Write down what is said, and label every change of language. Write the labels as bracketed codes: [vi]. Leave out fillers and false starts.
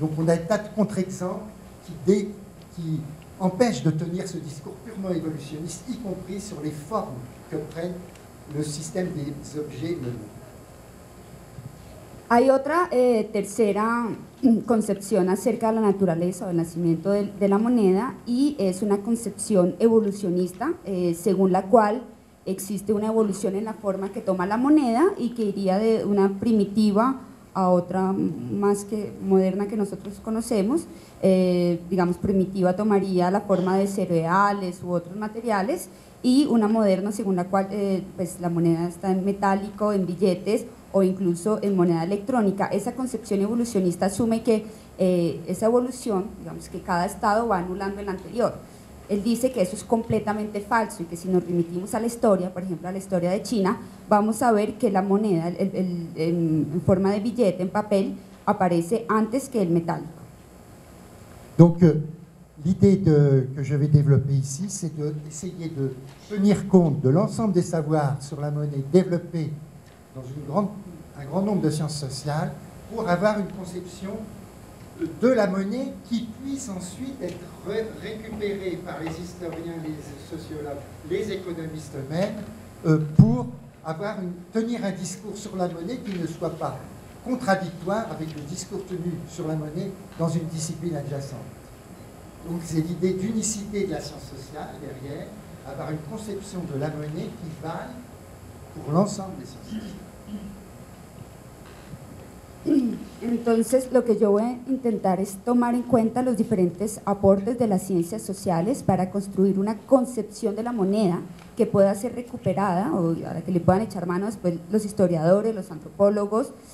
[fr] Donc on a un tas de contre-exemples qui empêchent de tenir ce discours purement évolutionniste, y compris sur les formes que prennent le système des objets monnaie. [es] Hay otra tercera concepción acerca de la naturaleza o del nacimiento de la moneda y es una concepción evolucionista según la cual existe una evolución en la forma que toma la moneda y que iría de una primitiva a otra más que moderna que nosotros conocemos. Digamos, primitiva tomaría la forma de cereales u otros materiales y una moderna según la cual pues la moneda está en metálico, en billetes o incluso en moneda electrónica. Esa concepción evolucionista asume que esa evolución, digamos que cada estado va anulando el anterior. Él dice que eso es completamente falso y que si nos remitimos a la historia, por ejemplo a la historia de China, vamos a ver que la moneda en forma de billete, en papel, aparece antes que el metálico. [fr] Donc l'idée que je vais développer ici, c'est d'essayer de tenir compte de l'ensemble des savoirs sur la monnaie développés dans un grand nombre de sciences sociales pour avoir une conception de la monnaie qui puisse ensuite être récupérée par les historiens, les sociologues, les économistes eux-mêmes, pour tenir un discours sur la monnaie qui ne soit pas contradictoire avec le discours tenu sur la monnaie dans une discipline adjacente. Donc c'est l'idée d'unicité de la science sociale derrière, avoir une conception de la monnaie qui vaille pour l'ensemble des sciences sociales. [es] Entonces, lo que yo voy a intentar es tomar en cuenta los diferentes aportes de las ciencias sociales para construir una concepción de la moneda que pueda ser recuperada o a la que le puedan echar mano después los historiadores, los antropólogos